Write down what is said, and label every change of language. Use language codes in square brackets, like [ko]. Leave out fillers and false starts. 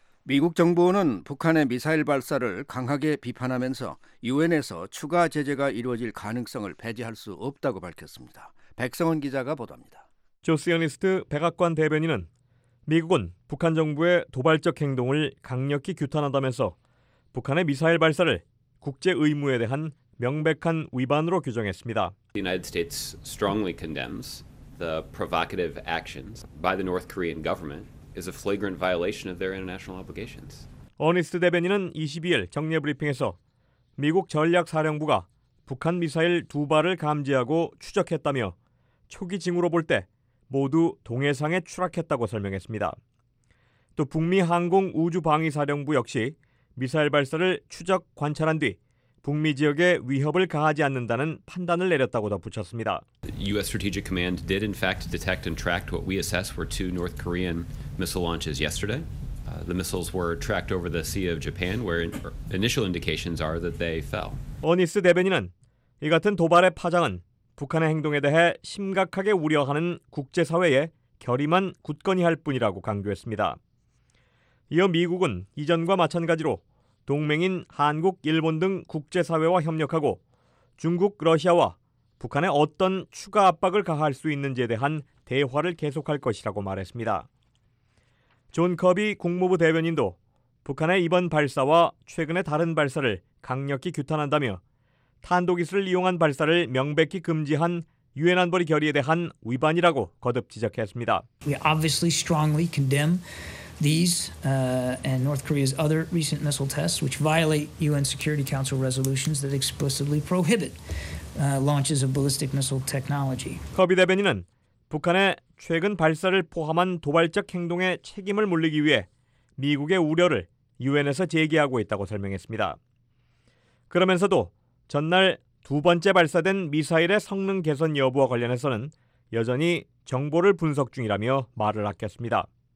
[ko] 미국 정부는 북한의 미사일 발사를 강하게 비판하면서 유엔에서 추가 제재가 이루어질 가능성을 배제할 수 없다고 밝혔습니다. 백성원 기자가 보도합니다. 조스연리스트 백악관 대변인은 미국은 북한 정부의 도발적 행동을 강력히 규탄한다면서 북한의 미사일 발사를 국제 의무에 대한 명백한 위반으로 규정했습니다. [en] The United States strongly condemns the provocative actions by the North Korean government is a flagrant violation of their international obligations. [ko] 어니스트 대변인은 22일 정례 브리핑에서 미국 전략사령부가 북한 미사일 두 발을 감지하고 추적했다며 초기 징후로 볼 때 모두 동해상에 추락했다고 설명했습니다. 또 북미 항공 우주방위사령부 역시 미사일 발사를 추적 관찰한 뒤 북미 지역에 위협을 가하지 않는다는 판단을 내렸다고 덧붙였습니다. [en] US Strategic Command did in fact detect and tracked what we assess were two North Korean missile launches yesterday. The missiles were tracked over the Sea of Japan where initial indications are that they fell. [ko] 어니스 대변인은 이 같은 도발의 파장은 북한의 행동에 대해 심각하게 우려하는 국제사회의 결의만 굳건히 할 뿐이라고 강조했습니다. 이어 미국은 이전과 마찬가지로 동맹인 한국, 일본 등 국제사회와 협력하고 중국, 러시아와 북한의 어떤 추가 압박을 가할 수 있는지에 대한 대화를 계속할 것이라고 말했습니다. 존 커비 국무부 대변인도 북한의 이번 발사와 최근의 다른 발사를 강력히 규탄한다며 탄도기술을 이용한 발사를 명백히 금지한 유엔 안보리 결의에 대한 위반이라고 거듭 지적했습니다. [en] We obviously strongly condemn these and North Korea's other recent missile tests which violate UN Security Council resolutions that explicitly prohibit launches of ballistic missile technology. [ko] 커비 대변인은 북한의 최근 발사를 포함한 도발적 행동에 책임을 물리기 위해 미국의 우려를 유엔에서 제기하고 있다고 설명했습니다. 그러면서도 전날 두 번째 발사된 미사일의 성능 개선 여부와 관련해서는 여전히 정보를 분석 중이라며 말을 아꼈습니다.